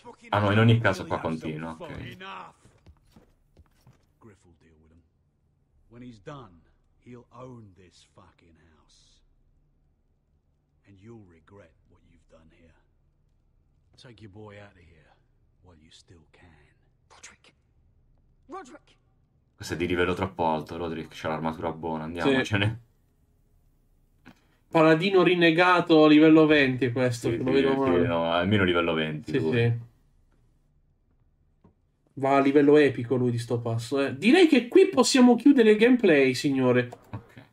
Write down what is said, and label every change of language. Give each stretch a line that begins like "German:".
Italian: Ah no, in ogni caso qua continua, ok.
English: Griff will deal with him. When he's done, he'll own this fucking house. And you'll regret what you've done here. Take your boy out of here while you still can. Roderick! Roderick!
Italian: Questo è di livello troppo alto, Roderick c'ha l'armatura buona, andiamocene. Sì. Paladino rinnegato a livello 20 questo, sì, lo vedo male. Sì, no, almeno livello 20. Sì, sì. Va a livello epico lui di sto passo. Direi che qui possiamo chiudere il gameplay, signore. Okay.